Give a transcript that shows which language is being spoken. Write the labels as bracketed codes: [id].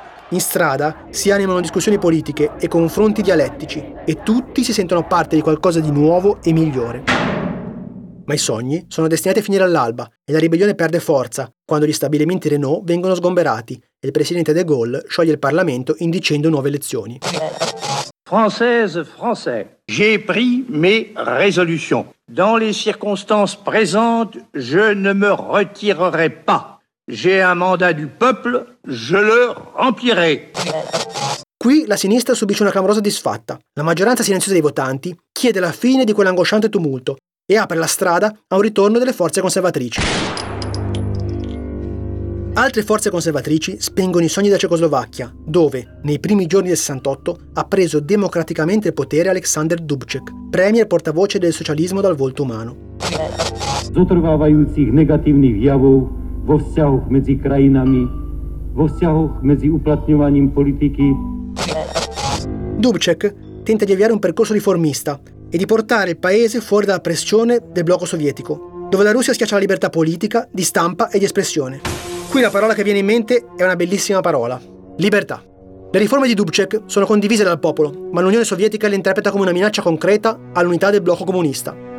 [it] In strada si animano discussioni politiche e confronti dialettici e tutti si sentono parte di qualcosa di nuovo e migliore. Ma i sogni sono destinati a finire all'alba e la ribellione perde forza quando gli stabilimenti Renault vengono sgomberati e il presidente De Gaulle scioglie il Parlamento indicendo nuove elezioni. [fr] Française, français, j'ai pris mes résolutions. Dans les circonstances présentes, je ne me retirerai pas. J'ai un mandat du peuple, je le remplirai. [it] Qui la sinistra subisce una clamorosa disfatta. La maggioranza silenziosa dei votanti chiede la fine di quell'angosciante tumulto e apre la strada a un ritorno delle forze conservatrici. Altre forze conservatrici spengono i sogni della Cecoslovacchia, dove, nei primi giorni del 68, ha preso democraticamente il potere Alexander Dubček, premier portavoce del socialismo dal volto umano. [sk] Zotrvávajúcich negatívnych javov vo vzťahoch medzi krajinami, vo vzťahoch medzi uplatňovaním politiky. [it] Dubček tenta di avviare un percorso riformista e di portare il paese fuori dalla pressione del blocco sovietico, dove la Russia schiaccia la libertà politica, di stampa e di espressione. Qui la parola che viene in mente è una bellissima parola. Libertà. Le riforme di Dubček sono condivise dal popolo, ma l'Unione Sovietica le interpreta come una minaccia concreta all'unità del blocco comunista.